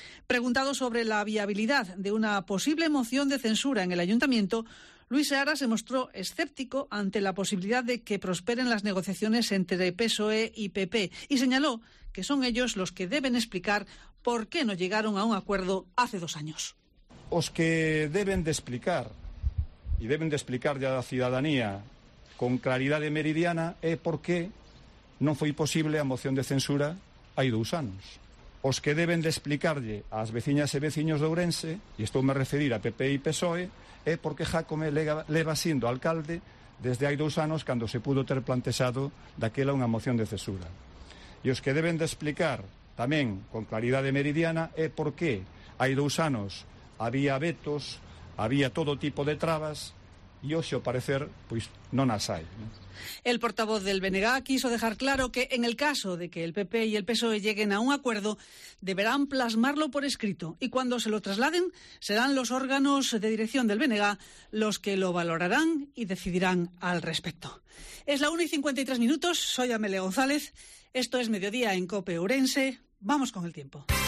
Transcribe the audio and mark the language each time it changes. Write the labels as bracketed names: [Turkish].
[Spanish] Preguntado sobre la viabilidad de una posible moción de censura en el ayuntamiento, Luis Seara se mostró escéptico ante la posibilidad de que prosperen las negociaciones entre PSOE y PP y señaló que son ellos los que deben explicar por qué no llegaron a un acuerdo hace dos años. [Galician] Os que deben de explicar, y deben de explicar ya a la ciudadanía con claridad de meridiana, é por qué non foi posible a moción de censura hai dous anos. Os que deben de explicarlle ás veciñas e veciños de Ourense, e estou me a referir a PP e PSOE, é porque Jácome leva sendo alcalde desde hai dous anos cando se pudo ter plantexado daquela unha moción de censura. E os que deben de explicar tamén con claridade meridiana é porque hai dous anos había vetos, había todo tipo de trabas, e hoxe, ao parecer, pois non as hai. [Spanish] El portavoz del BNG quiso dejar claro que en el caso de que el PP y el PSOE lleguen a un acuerdo, deberán plasmarlo por escrito y cuando se lo trasladen, serán los órganos de dirección del BNG los que lo valorarán y decidirán al respecto. Es la 1:53, soy Amelia González, esto es Mediodía en COPE Ourense, vamos con el tiempo.